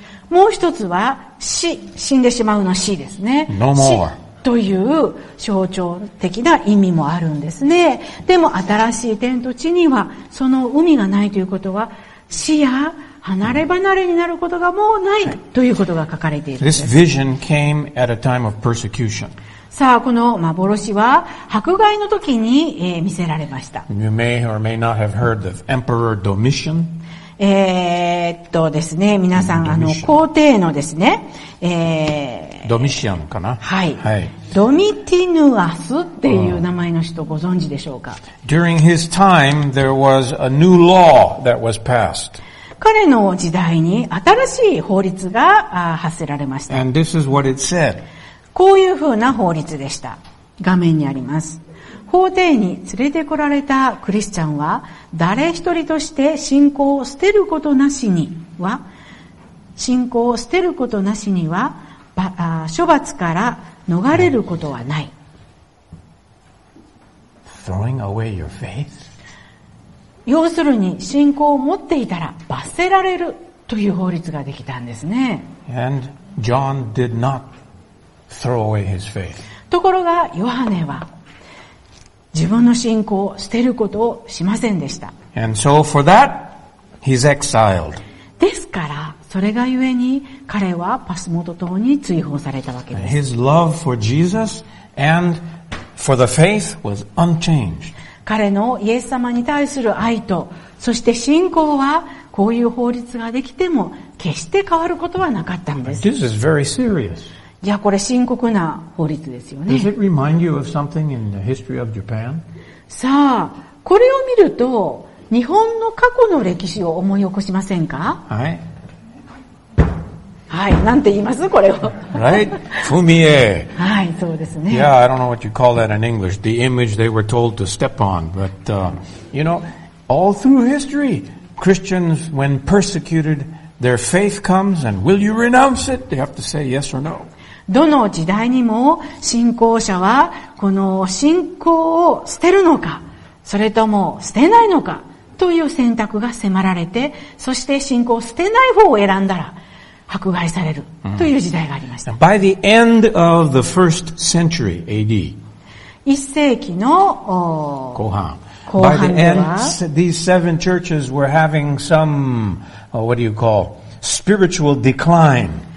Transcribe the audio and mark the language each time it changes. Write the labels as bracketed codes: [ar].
[ja] もう一つは死、死んでしまうの死ですね。 [en] No more. [ja] 死という象徴的な意味もあるんですね。でも新しい天と地にはその海がないということは、死や離れ離れになることがもうない、はい、ということが書かれているんです。 [en] This vision came at a time of persecution. [ja] さあ、この幻は迫害の時に、見せられました。 You may or may not have heard of Emperor Domitian. ですね、皆さん、皇帝のですね、ドミシアンかな、はい、はい。ドミティヌアスっていう名前の人ご存知でしょうか。 [en] During his time, there was a new law that was passed. [ja] 彼の時代に新しい法律が発せられました。 [en] And this is what it said. [ja] こういうふうな法律でした。画面にあります。法廷に連れてこられたクリスチャンは、誰一人として信仰を捨てることなしには、信仰を捨てることなしには、処罰から逃れることはない。 [en] Throwing away your faith? [ja] 要するに信仰を持っていたら罰せられるという法律ができたんですね。 [en] And John did not throw away his faith. [ja] ところがヨハネは自分の信仰を捨てることをしませんでした。 [en] And so for that, he's exiled. [ja] ですからそれがゆえに彼はパスモト島に追放されたわけです。 [en] His love for Jesus and for the faith was unchanged. [ja] 彼のイエス様に対する愛とそして信仰はこういう法律ができても決して変わることはなかったんです。 [en] This is very serious. [ja] いや、これ深刻な法律ですよね。 [en] Does it remind you of something in the history of Japan? [ja] さあ、これを見ると日本の過去の歴史を思い起こしませんか？はい。はい、なんて言いますこれを。 [en] Right? フミエ。 [ja] はい、そうですね。 [en] Yeah, I don't know what you call that in English. The image they were told to step on. But, you know, all through history, Christians, when persecuted, their faith comes and will you renounce it? They have to say yes or no. [ja] どの時代にも信仰者はこの信仰を捨てるのか、それとも捨てないのかという選択が迫られて、そして信仰を捨てない方を選んだら、迫害されるという時代がありました。 [en] By the end of the first century AD. [ja] 一世紀の後半。 [en] By the end, these seven churches were having some, what do you call, spiritual decline.